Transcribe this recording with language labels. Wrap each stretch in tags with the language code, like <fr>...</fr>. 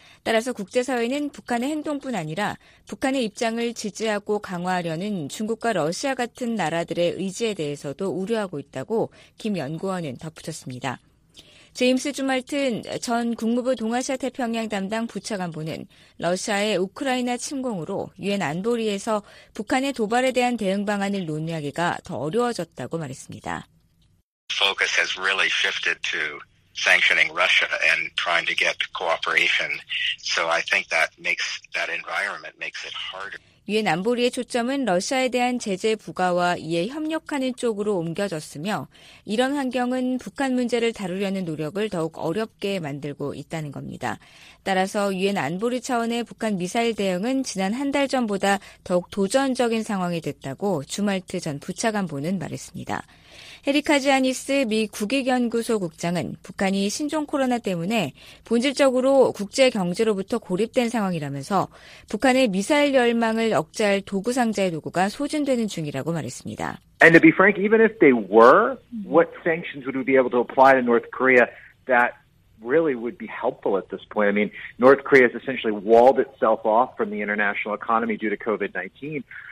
<ko>따라서 국제사회는 북한의 행동뿐 아니라 북한의 입장을 지지하고 강화하려는 중국과 러시아 같은 나라들의 의지에 대해서도 우려하고 있다고 김 연구원은 덧붙였습니다. 제임스 주말튼 전 국무부 동아시아 태평양 담당 부차관보는 러시아의 우크라이나 침공으로 유엔 안보리에서 북한의 도발에 대한 대응 방안을 논의하기가 더 어려워졌다고 말했습니다.</ko> <en>Focus has really shifted to sanctioning Russia and trying to get cooperation. So I think that environment makes it harder.</en> <ko>유엔 안보리의 초점은 러시아에 대한 제재 부과와 이에 협력하는 쪽으로 옮겨졌으며 이런 환경은 북한 문제를 다루려는 노력을 더욱 어렵게 만들고 있다는 겁니다. 따라서 유엔 안보리 차원의 북한 미사일 대응은 지난 한 달 전보다 더욱 도전적인 상황이 됐다고 주말트 전 부차관보는 말했습니다. 헤리카지아니스 미 국익연구소 국장은 북한이 신종 코로나 때문에 본질적으로 국제 경제로부터 고립된 상황이라면서 북한의 미사일 열망을 억제할 도구 상자의 도구가 소진되는 중이라고 말했습니다.</ko> <en>And to be frank, even if they were, what sanctions would we be able to apply to North Korea that really would be helpful at this point? I mean, North Korea has essentially walled itself off from the international economy due to COVID-19.</en>